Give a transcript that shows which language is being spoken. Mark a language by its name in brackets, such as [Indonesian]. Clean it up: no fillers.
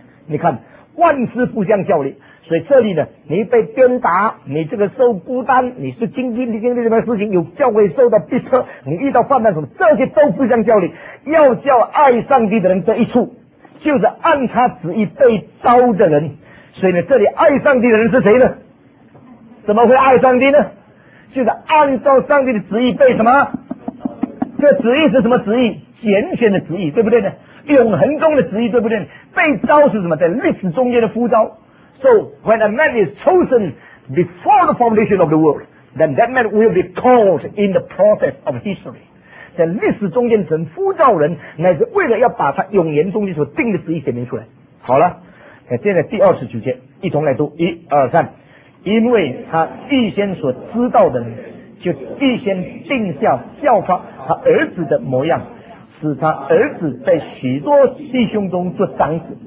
[Chinese] 你看万事互相效力，所以这里呢，你被鞭打，你这个受孤单，你是经历什么事情，有教会受到逼迫，你遇到患难什么，这些都互相效力，要叫爱上帝的人这一处就是按他旨意被招的人。所以呢，这里爱上帝的人是谁呢？怎么会爱上帝呢？就是按照上帝的旨意被什么？这旨意是什么旨意？拣选的旨意，对不对呢？永恒中的旨意，对不对呢？被招是什么？在历史中间的呼召。 [English] So when a man is chosen before the foundation of the world, then that man will be called in the process of history. [Chinese] 在历史中间神呼召人，乃是为了要把他永恒中间所定的旨意显明出来。好了。现在第29节，一同来读，一二三，因为他预先所知道的人，就预先定下效法他儿子的模样，使他儿子在许多弟兄中做长子。